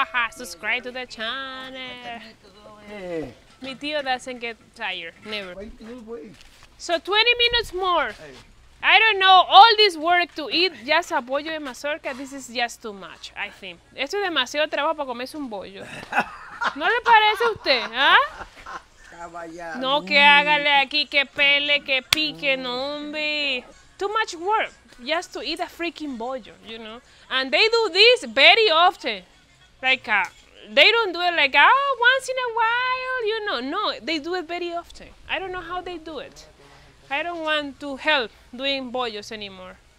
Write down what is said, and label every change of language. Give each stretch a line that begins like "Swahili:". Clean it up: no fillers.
English: Subscribe to the channel. Mi tío doesn't get tired, never. So 20 minutes more. I don't know, all this work to eat just a bollo de mazorca, this is just too much, I think.
Spanish: Esto es demasiado trabajo para comerse un bollo. ¿No le parece a usted? ¿Ah? No, que hágale aquí, que pele, que pique, no, hombre.
English: Too much work just to eat a freaking bollo, you know? And they do this very often. Like, they don't do it like, oh, once in a while, you know? No, they do it very often. I don't know how they do it. I don't want to help doing bollos anymore.